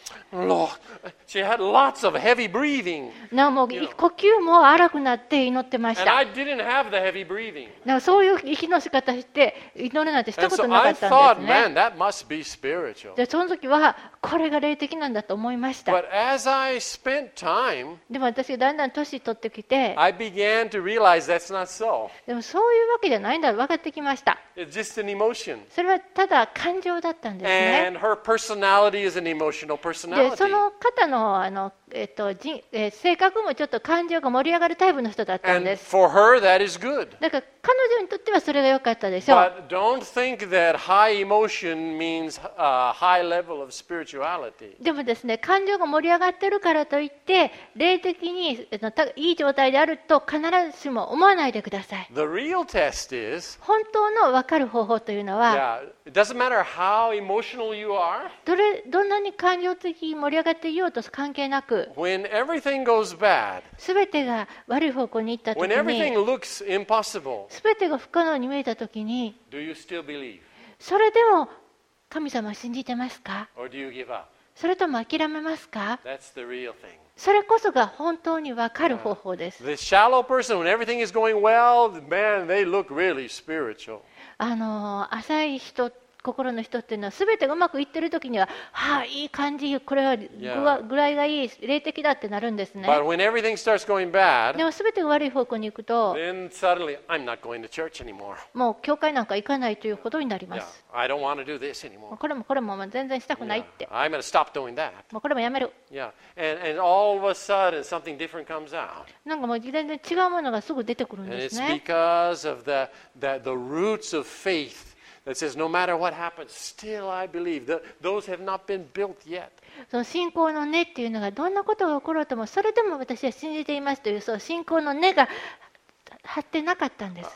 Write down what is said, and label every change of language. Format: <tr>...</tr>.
<en>Lord, she had lots of heavy breathing.</en> <ja>なもう呼吸も荒くなって祈ってました。</ja> <en>And I didn't have the heavy breathing.</en> <ja>なそういう息の仕方して祈るなんてしたことなかったんですね。</ja> <en>And so I thought, man, that must be spiritual.</en> <ja>でその時はこれが霊的なんだと思いました。</ja> <en>But as I spent time,</en> <ja>でも私がだんだん年取ってきて、</ja> <en>I began to realize that's not so.</en> <ja>でもそういうわけじゃないんだと分かってきました。</ja> <en>It's just an emotion.</en> <ja>それはただ感情だったんですね。</ja> <en>And her personality is an emotional personality.</en> <ja>で、その方の、性格もちょっと感情が盛り上がるタイプの人だったんです。</ja> <en>And for her, that is good.</en> <ja>だから彼女にとってはそれが良かったでしょう。</ja> <en>But don't think that high emotion means a high level of spirituality.</en> <ja>でもですね、感情が盛り上がってるからといって、霊的にいい状態であると必ずしも思わないでください。</ja> <en>The real test is,</en> <ja>本当の分かる方法というのは、</ja> <en>yeah, it doesn't matter how emotional you are,</en> <ja>どんなに感情的に盛り上がっていようと関係なく、</ja> <en>when everything goes bad,</en> <ja>全てが悪い方向に行った時に、</ja> <en>when everything looks impossible,</en> <ja>全てが不可能に見えた時に、</ja> <en>do you still believe?</en> <ja>それでも神様は信じてますか?</ja> <en>Or do you give up?</en> <ja>それとも諦めますか?</ja> <en>That's the real thing.</en> <ja>それこそが本当に分かる方法です。</ja> <en>The shallow person, when everything is going well, man, they look really spiritual.</en> <ja>浅い人、心の人っていうのは、すべてがうまくいってる時には、はあ、いい感じ、これは具合がいい、霊的だってなるんですね。</ja> <en>But when everything starts going bad,</en> <ja>でもすべてが悪い方向に行くと、</ja> <en>then suddenly, I'm not going to church anymore.</en> <ja>もう教会なんか行かないということになります。</ja> <en>Yeah. I don't want to do this anymore.</en> <ja>これも全然したくないって。</ja> <en>Yeah. I'm going to stop doing that.</en> <ja>もうこれもやめる。</ja> <en>Yeah. And all of a sudden, something different comes out.</en> <ja>なんかもう全然違うものがすぐ出てくるんですね。</ja> <en>And it's because of the roots of faith. It says, no matter what happens, still I believe. Those have not been built yet.</en> <ja>その信仰の根っていうのがどんなことが起ころうとも、それでも私は信じていますという、その信仰の根が張ってなかったんですね。</ja>